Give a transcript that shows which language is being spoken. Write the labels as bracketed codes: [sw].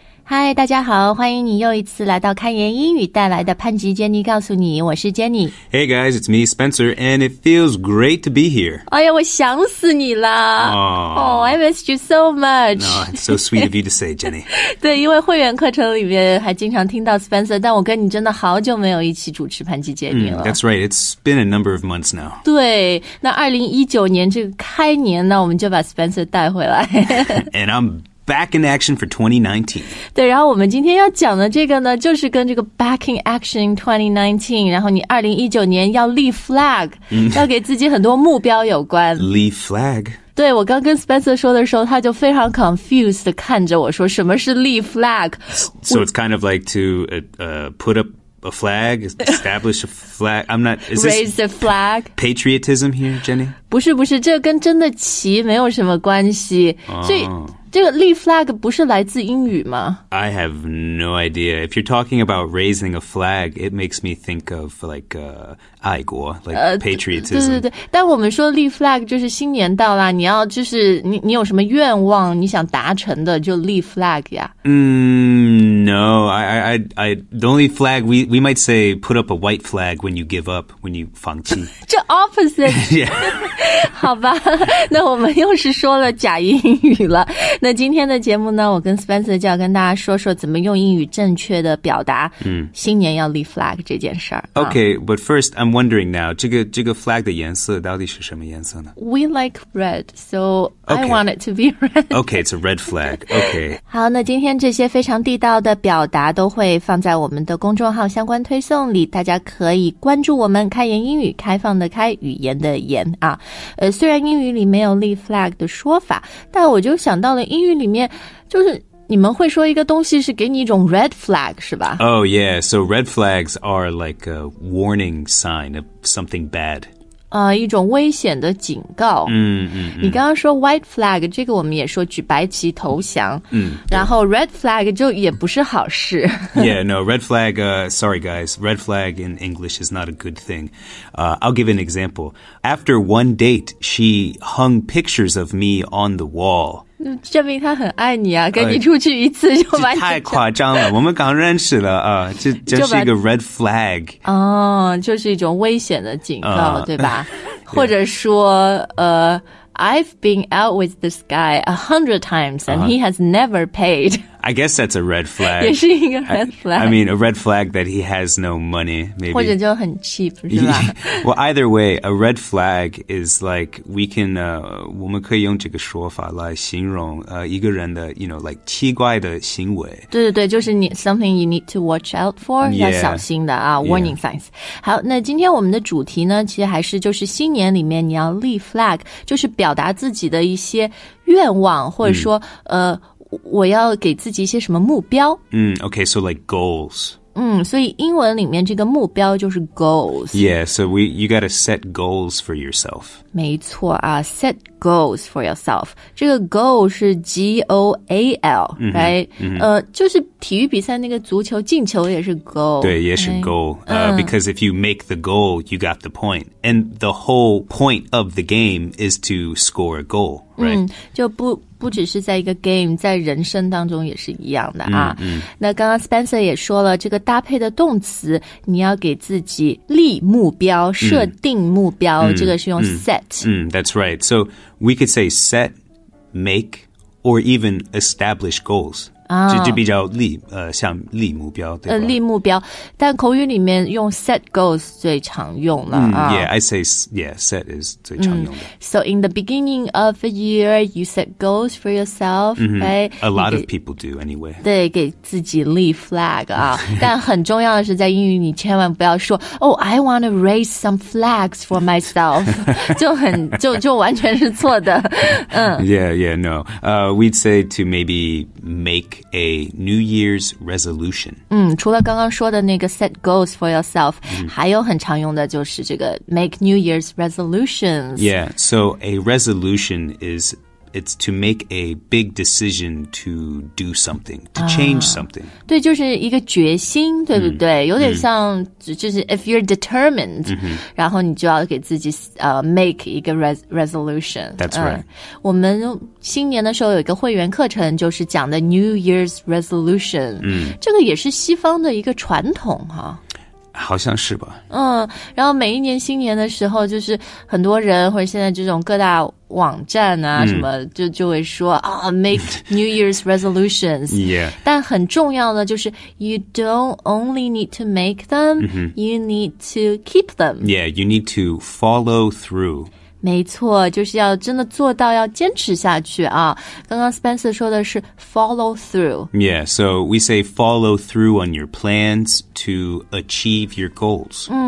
[zh] 嗨，大家好，欢迎你又一次来到开言英语带来的潘吉 Jenny 告诉你，我是 Jenny。 [en] Hey guys, it's me, Spencer, and it feels great to be here. [zh] 哎呀，我想死你了。 [en] Oh, I missed you so much. Oh, it's so sweet of you to say, Jenny. [zh] 对，因为会员课程里面还经常听到 Spencer, 但我跟你真的好久没有一起主持潘吉 Jenny 了。 [en] That's right, it's been a number of months now. [zh] 对，那2019年这个开年呢，我们就把 Spencer 带回来。 [en] and I'm... Back in action for 2019. [zh] 对，然后我们今天要讲的这个呢，就是跟这个 [en] back in action 2019, [zh] 然后你2019年要立 flag, 要给自己很多目标有关。立 flag? 对，我刚跟 Spencer 说的时候，他就非常 confused 的看着我说，什么是 立 flag? [en] So it's kind of like to put up a flag, establish a flag. I'm not, is this raise the flag? Patriotism here, Jenny? [zh] 不是，这跟真的旗没有什么关系。所以这个立 flag 不是来自英语吗 [en] ？I have no idea. If you're talking about raising a flag, it makes me think of like 爱国 like patriotism. [zh] 对，但我们说立 flag 就是新年到了，你要就是你有什么愿望你想达成的就立 flag 呀。 [en] No, I the only flag we might say put up a white flag when you give up when you 放弃。这 opposite. Yeah. [zh] 好吧，那我们又是说了假英语了。那今天的节目呢，我跟 Spencer 就要跟大家说说怎么用英语正确的表达新年要立 flag 这件事儿。 [en] Okay, but first I'm wondering now, [zh] 这个 flag 的颜色到底是什么颜色呢 [en] ？We like red, so I want it to be red. Okay, it's a red flag. Okay. [zh] 好，那今天这些非常地道的表达都会放在我们的公众号相关推送里，大家可以关注我们开言英语，开放的开，语言的言啊。虽然英语里没有立 flag 的说法，但我就想到了英语里面，就是你们会说一个东西是给你一种 red flag 是吧 [en] ？Oh yeah, so red flags are like a warning sign of something bad. [zh] 一种危险的警告。嗯，你刚刚说 white flag 这个我们也说举白旗投降。嗯，然后 red flag 就也不是好事。 [en] Yeah, no, red flag. Sorry guys, red flag in English is not a good thing. I'll give an example. After one date, she hung pictures of me on the wall. [zh] 证明他很爱你啊跟你出去一次就把你太夸张了我们刚认识了啊这真是一个 red flag 哦就是一种危险的警告对吧或者说 [en] I've been out with this guy 100 times and he has never paid. I guess that's a red flag. [zh] 也是一个 red flag. [en] I mean, a red flag that he has no money, maybe. [zh] 或者就很 cheap, 是吧 [en] Well, either way, a red flag is like, we can, [zh] 我们可以用这个说法来形容一个人的 [en] you know, like, [zh] 奇怪的行为。对，就是你 [en] something you need to watch out for, yeah, [zh] 要小心的啊 [en] warning signs. [zh] 好那今天我们的主题呢其实还是就是新年里面你要立 flag, 就是表达自己的一些愿望或者说我要给自己一些什么目标 [en] okay, so like goals. [zh] 所以英文里面这个目标就是 goals. [en] Yeah, so you gotta set goals for yourself. [zh] 没错啊 [en] set goals for yourself. [zh] 这个 goal 是 G-O-A-L, right? Mm-hmm. 就是体育比赛那个足球进球也是 goal. 对也是 goal. Okay. [en] Because if you make the goal, you got the point. And the whole point of the game is to score a goal, right? [zh] 就不只是在一个 game, 在人生当中也是一样的啊。那刚刚 Spencer 也说了这个搭配的动词你要给自己立目标设定目标这个是用 set. [en] That's right. So we could say set, make, or even establish goals. [zh] 就比较立像立目标对吧立目标但口语里面用 set goals 最常用了 [en] Yeah, I say, yeah, set is [zh] 最常用的 [en] So in the beginning of a year, you set goals for yourself, right? A lot of people do anyway. [zh] 对给自己立 flag 啊但很重要的是在英语你千万不要说 [en] Oh, I want to raise some flags for myself. [zh] 就完全是错的 [en] Yeah, no. We'd say to maybe make,a New Year's resolution. [zh] 除了刚刚说的那个 set goals for yourself, 还有很常用的就是这个 [en] make New Year's resolutions. Yeah, so a resolution is It's to make a big decision to do something, to change something. [zh] 对，就是一个决心，对不对？有点像，就是 [en] if you're determined, [zh] 然后你就要给自己make 一个 resolution. [en] That's right. [zh] 我们新年的时候有一个会员课程，就是讲的 New Year's Resolution. 这个也是西方的一个传统哈。好像是吧。然后每一年新年的时候，就是很多人或者现在这种各大网站啊什么就会说啊、make New Year's resolutions. [en] Yeah. [zh] 但很重要的就是 [en] you don't only need to make them,、you need to keep them. Yeah, you need to follow through. [zh] 没错，就是要真的做到，要坚持下去啊！刚刚 Spencer 说的是 follow through. [en] Yeah, so we say follow through on your plans to achieve your goals.